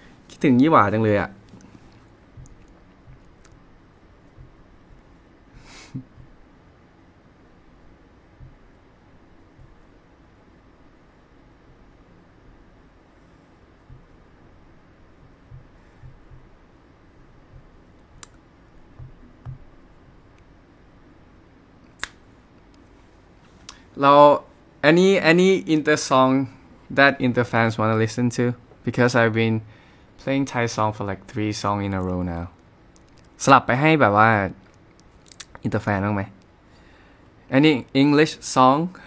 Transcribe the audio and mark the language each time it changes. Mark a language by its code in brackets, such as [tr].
[th] คิดถึงยี่หว่าจังเลยอะ [en] Low, any inter song that inter fans want to listen to? Because I've been playing Thai song for like 3 song in a row now. [th] สลับไปให้แบบว่า inter fan บ้างไหม [en] Any English song?